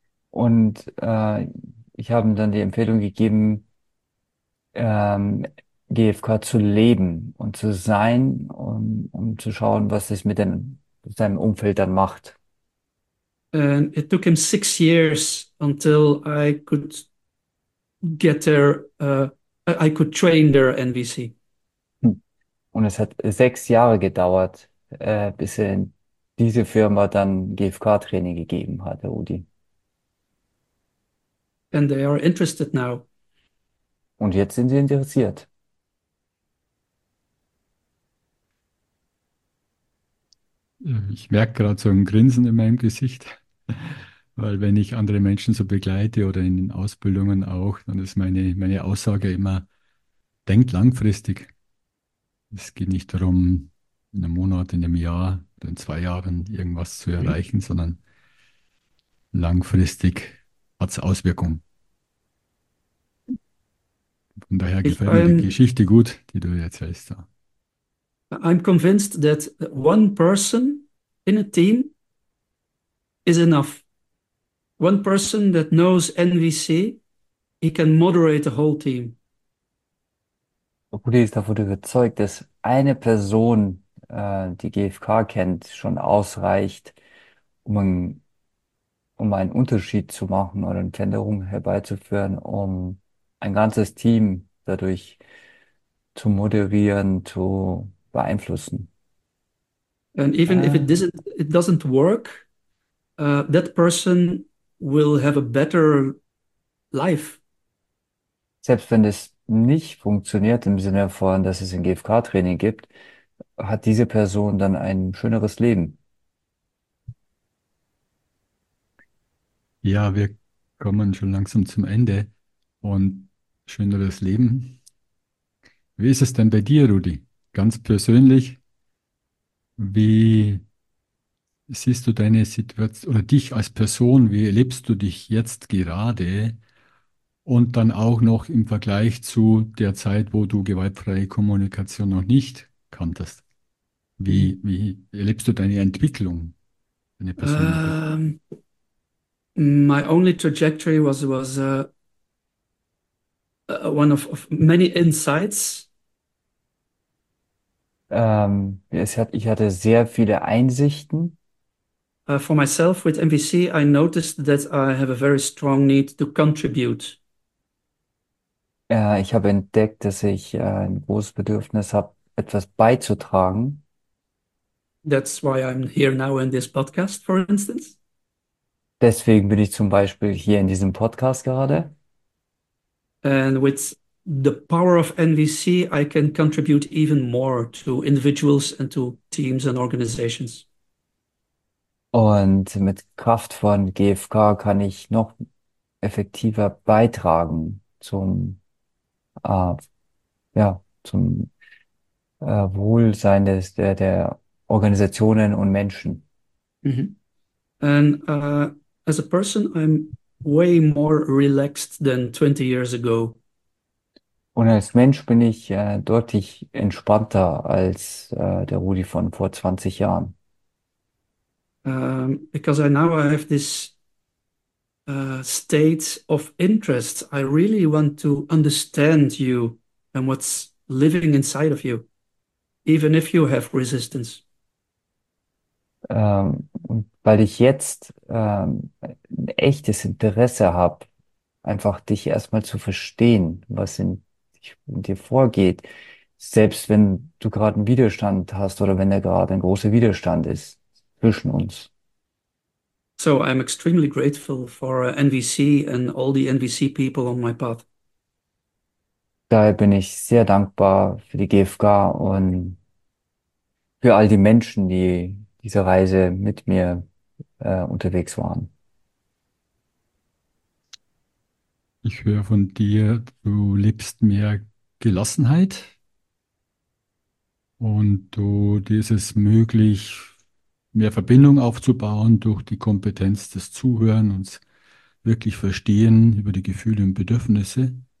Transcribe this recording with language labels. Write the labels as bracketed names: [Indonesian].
[German] Und ich habe ihm dann die Empfehlung gegeben, GfK zu leben und zu sein und um zu schauen, was es mit seinem Umfeld dann macht. [English] And it took him 6 years until I could get there, I could train their NVC. [German] Und es hat 6 Jahre gedauert, bis er in diese Firma dann GfK-Training gegeben hat, der Udi. [English] And they are interested now. [German] Und jetzt sind sie interessiert. Ich merke gerade so ein Grinsen in meinem Gesicht, weil wenn ich andere Menschen so begleite oder in den Ausbildungen auch, dann ist meine Aussage immer, denkt langfristig. Es geht nicht darum, in einem Monat, in einem Jahr oder in 2 Jahren irgendwas zu erreichen, sondern langfristig hat es Auswirkungen. Von daher gefällt mir die Geschichte gut, die du erzählst da. [English] I'm convinced that one person in a team is enough. One person that knows NVC, he can moderate the whole team. [German] Rudi ist davon überzeugt, dass eine Person, die GfK kennt, schon ausreicht, um einen Unterschied zu machen oder eine Veränderung herbeizuführen, um ein ganzes Team dadurch zu moderieren, zu beeinflussen. [English] And even if it doesn't work, that person will have a better life. [German] Selbst wenn es nicht funktioniert im Sinne von, dass es ein GfK-Training gibt, hat diese Person dann ein schöneres Leben. Ja, wir kommen schon langsam zum Ende und schöneres Leben. Wie ist es denn bei dir, Rudi? Ganz persönlich, wie siehst du deine Situation oder dich als Person? Wie erlebst du dich jetzt gerade? Und dann auch noch im Vergleich zu der Zeit, wo du gewaltfreie Kommunikation noch nicht kanntest. Wie erlebst du deine Entwicklung, deine persönliche? [English] My only trajectory was one of many insights. [German] Ich hatte sehr viele Einsichten. [English] For myself with MVC, I noticed that I have a very strong need to contribute. [German] Ich habe entdeckt, dass ich ein großes Bedürfnis habe, etwas beizutragen. [English] That's why I'm here now in this podcast, for instance. [German] Deswegen bin ich zum Beispiel hier in diesem Podcast gerade. [English] And with the power of NVC, I can contribute even more to individuals and to teams and organizations. [German] Und mit Kraft von GFK kann ich noch effektiver beitragen zum ja, zum Wohlsein der Organisationen und Menschen. [English] And as a person, I'm way more relaxed than 20 years ago. [German] Und als Mensch bin ich deutlich entspannter als der Rudi von vor 20 Jahren. [English] Because I now I have this state of interest. I really want to understand you and what's living inside of you, even if you have resistance. [German] Und weil ich jetzt ein echtes Interesse habe, einfach dich erstmal zu verstehen, was in dir vorgeht, selbst wenn du gerade einen Widerstand hast oder wenn da gerade ein großer Widerstand ist zwischen uns. [English] So I'm extremely grateful for NVC and all the NVC people on my path. [German] Daher bin ich sehr dankbar für die GfK und für all die Menschen, die diese Reise mit mir unterwegs waren. Ich höre von dir, du lebst mehr Gelassenheit und du, dir ist es möglich, mehr Verbindung aufzubauen durch die Kompetenz des Zuhören und wirklich Verstehen über die Gefühle und Bedürfnisse.